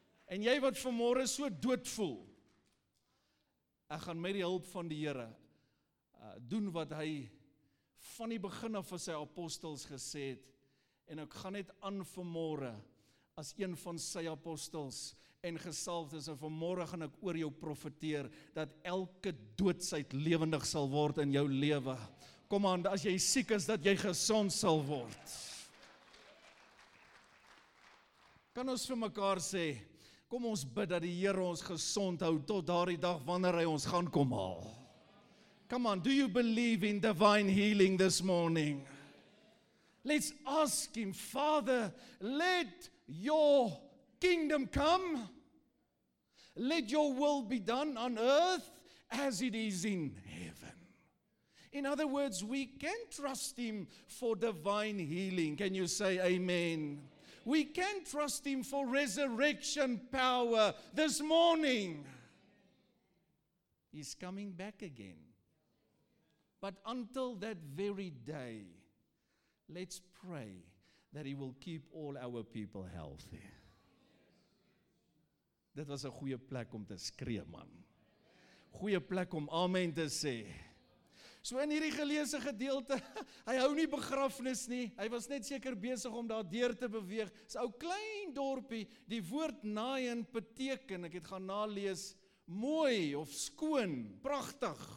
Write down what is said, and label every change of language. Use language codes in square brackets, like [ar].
[af] En jy wat vanmôre so dood voel, ek gaan met die hulp van die Here doen wat hy van die begin af van sy apostels gesê het, en ek gaan net aan vanmôre as een van sy apostels en gesalfdes, en vanmôre gaan ek oor jou profeteer, dat elke doodsheid lewendig sal word in jou lewe. Kom aan, as jy siek is, dat jy gesond sal word. Kan ons vir mekaar sê, kom ons bid dat die Here ons gesond hou tot daardie dag wanneer hy ons gaan kom haal. [en] Come on, do you believe in divine healing this morning? Let's ask him, Father, let your kingdom come. Let your will be done on earth as it is in heaven. In other words, we can trust him for divine healing. Can you say amen? We can trust him for resurrection power this morning. He's coming back again. But until that very day, let's pray that he will keep all our people healthy. [af] Dit was 'n goeie plek om te skree, man. Goeie plek om amen te sê. So in hierdie geleese gedeelte, hy hou nie begrafnis nie, hy was net seker besig om daar deur te beweeg. Dis ou klein dorpie, die woord Nain beteken, ek het gaan nalees, mooi of skoon, prachtig.